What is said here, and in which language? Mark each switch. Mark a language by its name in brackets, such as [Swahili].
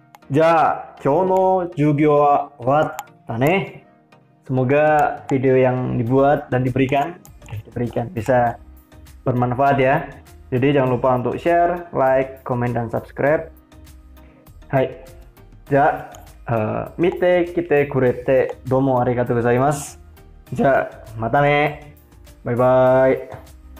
[Japanese] じゃあ今日の授業は終わったね。 [Indonesian] Semoga video yang dibuat dan diberikan bisa bermanfaat ya. Jadi jangan lupa untuk share, like, komen dan subscribe. Hai. [Japanese] じゃあ見てきてくれてどうもありがとうございます。じゃあまたね。バイバイ。